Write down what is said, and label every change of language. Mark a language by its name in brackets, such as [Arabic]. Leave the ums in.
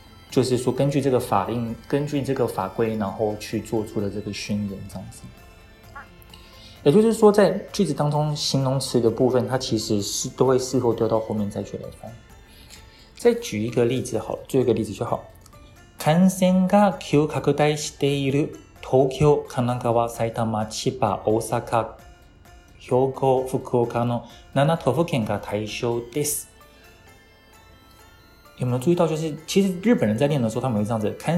[Chinese] 就是说，根据这个法令，根据这个法规，然后去做出的这个宣言，这样子。也就是说，在句子当中，形容词的部分，它其实是都会事后丢到后面再去来看。再举一个例子好了，好，就一个例子就好。 [Japanese] 感染が急拡大している東京、神奈川、埼玉、埼玉千葉、大阪、兵庫、福岡の7都府県が対象です。 [Chinese] 有没有注意到，就是其实日本人在练的时候，他们会这样子。